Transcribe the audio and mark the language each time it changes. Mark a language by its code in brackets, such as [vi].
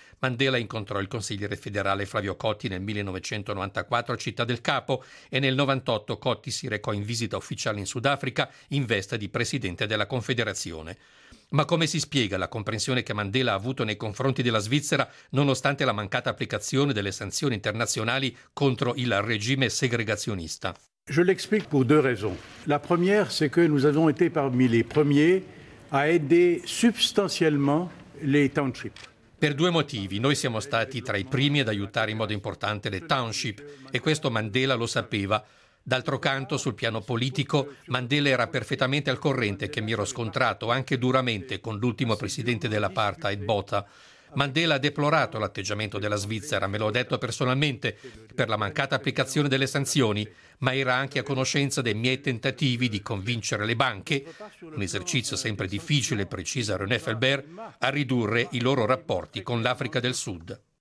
[it] Mandela incontrò il consigliere federale Flavio Cotti nel 1994 a Città del Capo e nel 98 Cotti si recò in visita ufficiale in Sudafrica in veste di presidente della Confederazione. Ma come si spiega la comprensione che Mandela ha avuto nei confronti della Svizzera nonostante la mancata applicazione delle sanzioni internazionali contro il regime segregazionista? [fr] Je l'explique pour deux raisons. La première, c'est que nous avons été parmi les premiers à aider substantiellement les townships. [it] Per due motivi. Noi siamo stati tra i primi ad aiutare in modo importante le township, e questo Mandela lo sapeva. D'altro canto, sul piano politico, Mandela era perfettamente al corrente che mi ero scontrato anche duramente con l'ultimo presidente dell'apartheid, Botha. Mandela ha deplorato l'atteggiamento della Svizzera, me lo ha detto personalmente, per la mancata applicazione delle sanzioni, ma era anche a conoscenza dei miei tentativi di convincere le banche, un esercizio sempre difficile, precisa René Felber, a ridurre i loro rapporti con l'Africa del Sud.